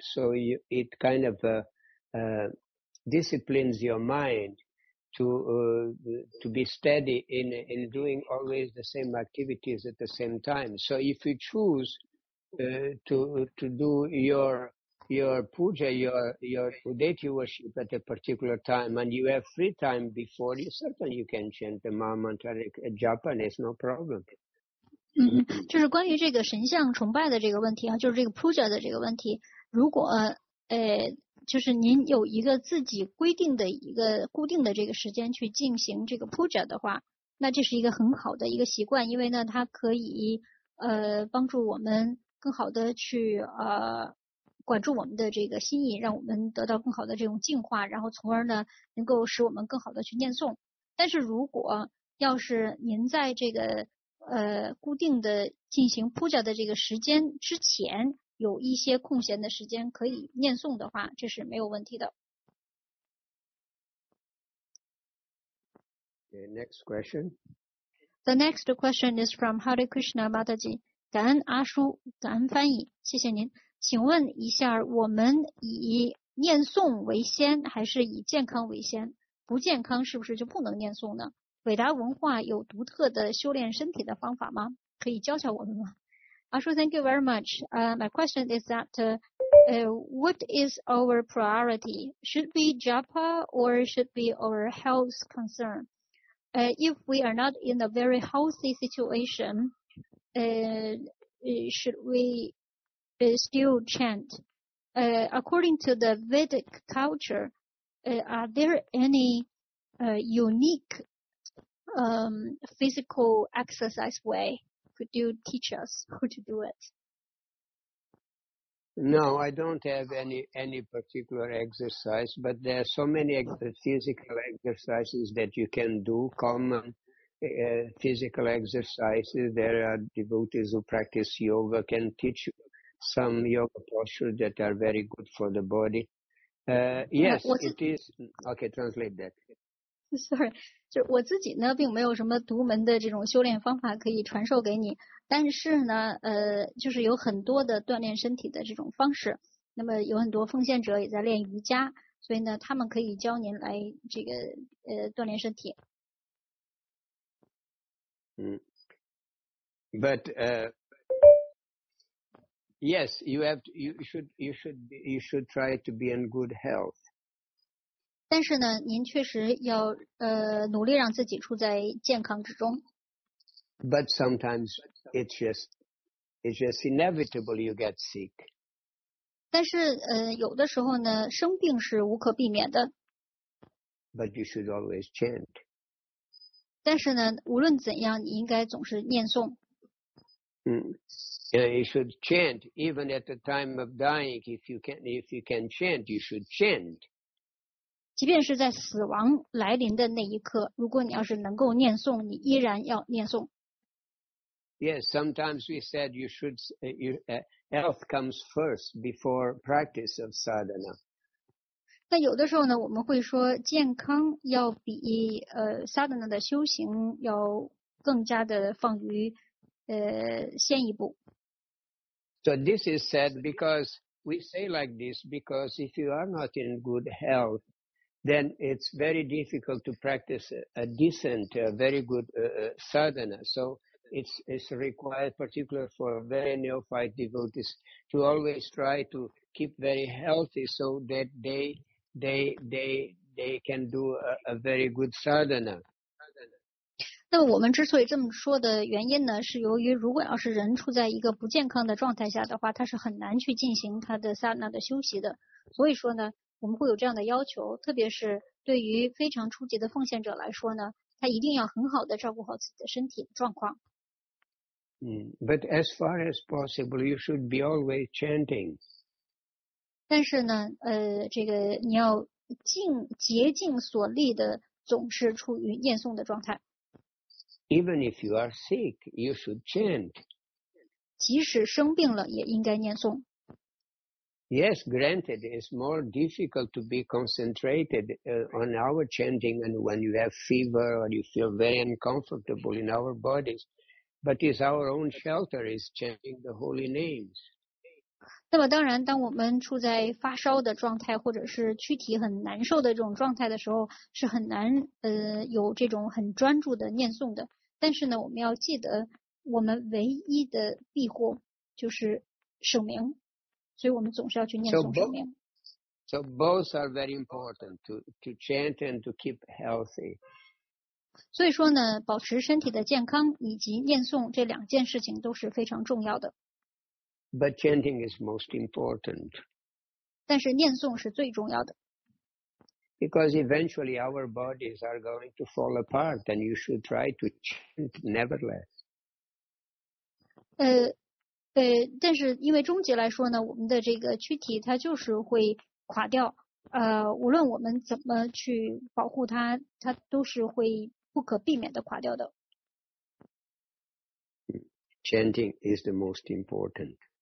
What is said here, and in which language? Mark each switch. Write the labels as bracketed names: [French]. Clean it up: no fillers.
[English] So it kind of, disciplines your mind to be steady in doing always the same activities at the same time. So if you choose, to do your puja, your deity worship at a particular time, and you have free time before you, certainly you can chant the Maha Mantra in Japanese, no problem. [Chinese] 就是关于这个神像崇拜的这个问题啊，就是这个 puja 的这个问题，如果就是您有一个自己规定的一个固定的这个时间去进行这个 puja 的话，那这是一个很好的一个习惯，因为呢，它可以帮助我们更好的去管住我们的这个心意，让我们得到更好的这种净化，然后从而呢能够使我们更好的去念诵。但是如果要是您在这个固定的进行铺脚的这个时间之前有一些空闲的时间可以念诵的话，这是没有问题的。 [English] Okay, next question. The next question is from Hare Krishna Mataji. [Chinese] 感恩阿叔，感恩翻译，谢谢您。请问一下，我们以念诵为先，还是以健康为先？不健康是不是就不能念诵呢？伟达文化有独特的修炼身体的方法吗？可以教教我们吗？阿叔 ， [English] Thank you very much. My question is that, what is our priority? Should be japa or should be our health concern? If we are not in a very healthy situation. Should we still chant? According to the Vedic culture, are there any unique physical exercise way? Could you teach us how to do it? No, I don't have any particular exercise, but there are so many physical exercises that you can do, commonphysical exercises. There are devotees who practice yoga can teach some yoga postures that are very good for the body. Yes, it is. Okay, translate that. Sorry, [Chinese] 就我自己呢，并没有什么独门的这种修炼方法可以传授给你。但是呢，就是有很多的锻炼身体的这种方式。那么有很多奉献者也在练瑜伽，所以呢，他们可以教您来这个锻炼身体。 [English] But yes, you have to, you should try to be in good health. [Chinese] 但是呢，您确实要努力让自己处在健康之中。 [English] But sometimes it's just inevitable you get sick. [Chinese] 但是有的时候呢，生病是无可避免的。 [English] But you should always chant. [Chinese] 但是呢，无论怎样，你应该总是念诵。 [English] You should chant even at the time of dying. If you can chant, you should chant. [Chinese] 即便是在死亡来临的那一刻，如果你要是能够念诵，你依然要念诵。 [English] Yes, sometimes we said you should. Health comes first before practice of sadhana. [Chinese] 那有的时候呢，我们会说健康要比sadhana 的修行要更加的放于先一步。 [English] So this is said because we say like this because if you are not in good health, then it's very difficult to practice a decent, very good sadhana. So it's required particular for very neophyte devotees to always try to keep very healthy so that they can do a very good sadhana. [Chinese] 那么我们之所以这么说的原因呢，是由于如果要是人处在一个不健康的状态下的话，他是很难去进行他的萨那的修习的。所以说呢，我们会有这样的要求，特别是对于非常初级的奉献者来说呢，他一定要很好的照顾好自己的身体状况。 [English] But as far as possible, you should be always chanting. [Chinese] 但是呢，这个你要竭尽所力的总是处于念诵的状态。 [English] Even if you are sick, you should chant. [Chinese] 即使生病了，也应该念诵。 [English] Yes, granted, it's more difficult to be concentrated on our chanting and when you have fever or you feel very uncomfortable in our bodies. But it's our own shelter is chanting the holy names. [Chinese] 那么当然，当我们处在发烧的状态或者是躯体很难受的这种状态的时候，是很难有这种很专注的念诵的。但是呢，我们要记得我们唯一的庇护就是圣名。所以我们总是要去念诵圣名。 [English] So both are very important to chant and to keep healthy. [Chinese] 所以说呢，保持身体的健康以及念诵这两件事情都是非常重要的。 [English] But chanting is most important. [Chinese] 但是念诵是最重要的。 [English] Because eventually our bodies are going to fall apart and you should try to chant nevertheless. [Chinese] 但是因为终极来说呢，我们的这个躯体它就是会垮掉，无论我们怎么去保护它，它都是会不可避免的垮掉的。 [English] Chanting is the most important.